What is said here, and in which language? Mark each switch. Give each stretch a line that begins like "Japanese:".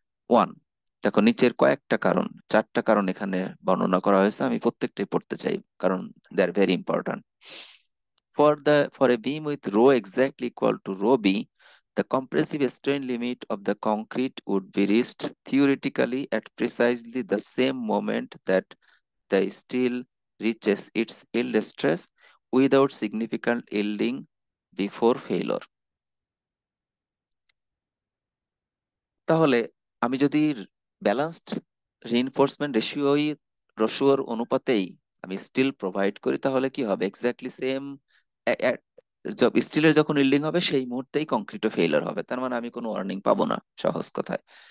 Bangla: One, দেখো নিচের কয়েকটা কারণ, চারটা কারণ এখানে বর্ণনা করা হয়েছে, আমি প্রত্যেকটাই পড়তে চাই কারণ
English: They are very important. For a beam with rho exactly equal to rho B, the compressive strain limit of the concrete would be reached theoretically at precisely the same moment that the steel reaches its yield stress without significant yielding before failure.
Bangla: তাহলে আমি যদি balanced reinforcement রেশিওর অনুপাতেই আমি still provide করি, তাহলে কি হবে, exactly same job স্টিলের যখন ইল্ডিং হবে সেই মুহূর্তেই কংক্রিটও ফেলার হবে, তার মানে আমি কোনো ওয়ার্নিং পাবো না সহজ কথায়।